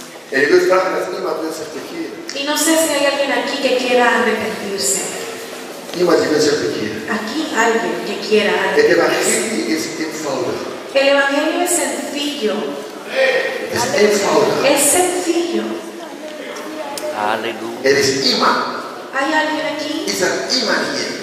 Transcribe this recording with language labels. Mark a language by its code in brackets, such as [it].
[nl] En ik wil vragen of iemand wil zich bekeren. [es] Y no sé si hay alguien aquí que quiera arrepentirse. [nl] Iemand die wil zich bekeren. [es] Aquí alguien que quiera arrepentirse. [nl] Het evangelie is eenvoudig. [es] El evangelio es sencillo. [nl] Es eenvoudig. [es] Es sencillo. Aleluya. [nl] Er is iemand. [es] Hay alguien aquí. [nl] Is er iemand hier?